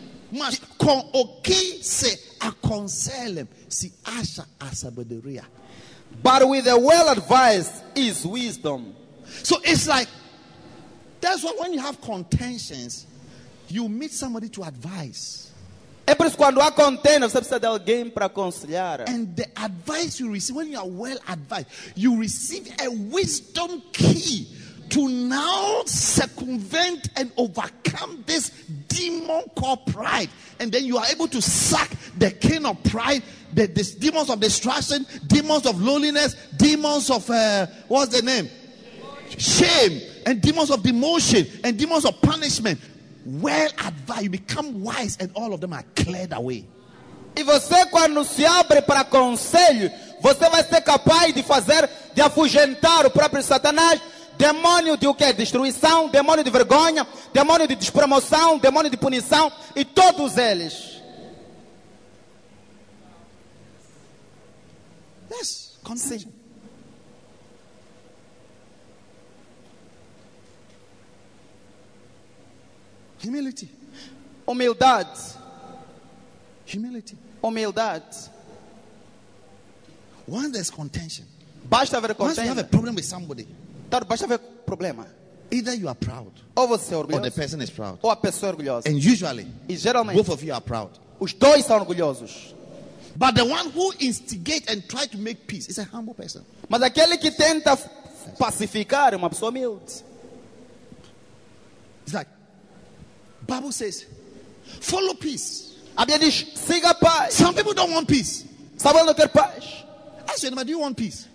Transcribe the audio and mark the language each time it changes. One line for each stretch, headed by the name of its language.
Portuguese: mas com o que se aconselha se acha a sabedoria.
English: But with a well advised is wisdom. So it's like, that's why when you have contentions, you meet somebody to advise.
Portuguese: É por isso quando há contenda, você precisa de alguém para aconselhar.
English: And the advice you receive, when you are well advised, you receive a wisdom key to now circumvent and overcome this demon called pride. And then you are able to sack the king of pride, the demons of destruction, demons of loneliness, demons of, what's the name? Shame. And demons of demotion, and demons of punishment. Well advised, you become wise, and all of them are cleared away.
Portuguese: E você, quando se abre para conselho, você vai ser capaz de fazer, de afugentar o próprio Satanás, demônio de o que? Destruição, demônio de vergonha, demônio de despromoção, demônio de punição, e todos eles.
English: Yes,
Portuguese: conselho.
English: Humility.
Portuguese: Humildade.
English: Humility.
Portuguese: Humildade.
English: When there's contention.
Portuguese: Basta haver contention.
English: Once you have a problem with somebody.
Portuguese: Basta haver problema.
English: Either you are proud.
Portuguese: Ou você é orgulhoso.
English: Or the person is proud.
Portuguese: Ou a pessoa é orgulhosa.
English: And usually.
Portuguese: E geralmente.
English: Both of you are proud.
Portuguese: Os dois são orgulhosos.
English: But the one who instigates and tries to make peace is a humble person.
Portuguese: Mas aquele que tenta pacificar é uma pessoa humilde.
English: It's like. Bible says, follow peace.
Portuguese: A Bíblia diz, siga a paz.
English: Some people don't want peace.
Portuguese: Sabe onde eu quero paz?
English: I said, but do you want peace?